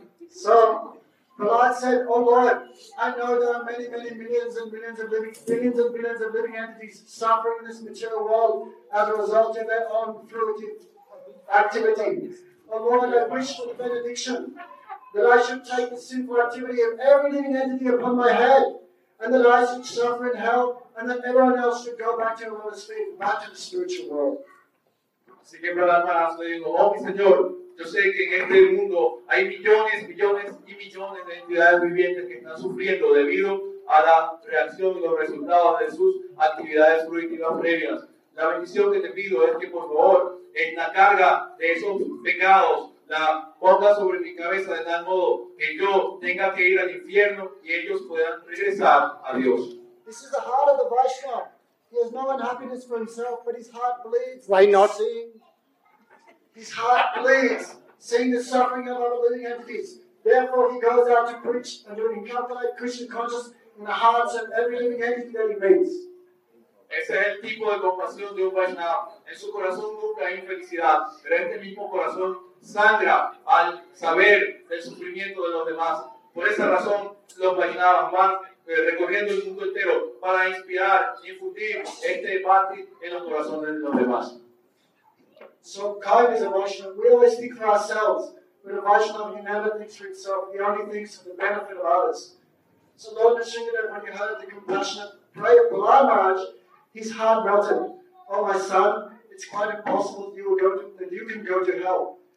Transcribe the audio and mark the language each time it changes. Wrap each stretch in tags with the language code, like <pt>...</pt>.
<en>So, Prahlada said, oh Lord, I know there are many, many billions and billions of living entities suffering in this material world as a result of their own fruitive activity. Oh Lord, I wish for the benediction that I should take the sinful activity of every living entity upon my head, and that I should suffer in hell, and that everyone else should go back to the lotus feet, back to the spiritual world.</en> <es>Así que Prahlada Maharaj le dijo, oh mi señor, yo sé que en este mundo hay millones, millones y millones de entidades vivientes que están sufriendo debido a la reacción y los resultados de sus actividades fruitivas previas. La bendición que te pido es que por favor, en la carga de esos pecados, la ponga sobre mi cabeza de tal modo que yo tenga que ir al infierno y ellos puedan regresar a Dios.</es> <en>This is the heart of the Vaishnava. He has no unhappiness for himself, but his heart bleeds. Why not? His heart bleeds, seeing the suffering of other living entities. Therefore, he goes out to preach and to encounter like Christian consciousness in the hearts of every living entity that he meets.</en> <es>Ese es el tipo de compasión de un Vaishnava. En su corazón nunca hay infelicidad, pero este mismo corazón sangra al saber del sufrimiento de los demás. Por esa razón, los Vaishnavas van recorriendo el mundo entero para inspirar y infundir este bhakti en los corazones de los demás.</es> <en>So, kind is a Vaishnava. We always think for ourselves, but a Vaishnava, he never thinks for himself. He only thinks for the benefit of others. So, Lord Nisringadev, when he heard the compassionate prayer of Balaram Maharaj, his heart melted. Oh, my son, it's quite impossible that you will go to, that you can go to hell.</en>